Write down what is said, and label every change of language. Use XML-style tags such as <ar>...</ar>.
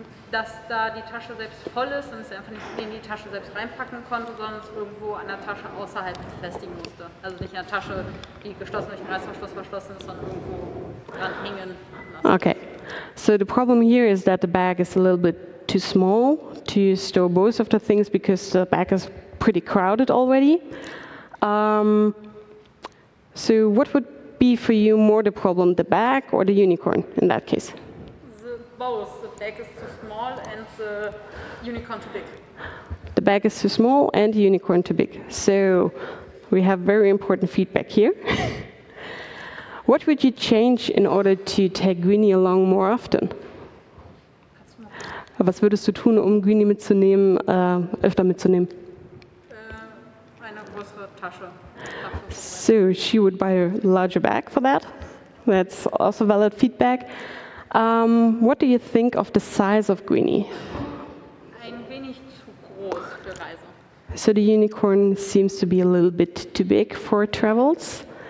<de>Dass da die Tasche selbst voll ist und es einfach nicht in die Tasche selbst reinpacken konnte, sondern es irgendwo an der Tasche außerhalb befestigen musste. Also nicht in der Tasche, die geschlossen durch den Reißverschluss verschlossen ist, sondern irgendwo dran hängen.</de> <en>Okay. So the problem here is that the bag is a little bit too small to store both of the things because the bag is pretty crowded already. So what would be for you more the problem, the bag or the unicorn in that case? Both. The bag is too small and the unicorn too big. The bag is too small and the unicorn too big. So we have very important feedback here. What would you change in order to take Greenie along more often?</en> <de>Was würdest du tun, um Greenie mitzunehmen, öfter mitzunehmen? Eine große Tasche.</de> <en>So, she would buy a larger bag for that. That's also valid feedback. What do you think of the size of Greenie?</en> <de>Ein wenig zu groß für Reise.</de> <en>So the unicorn seems to be a little bit too big for travels.</en>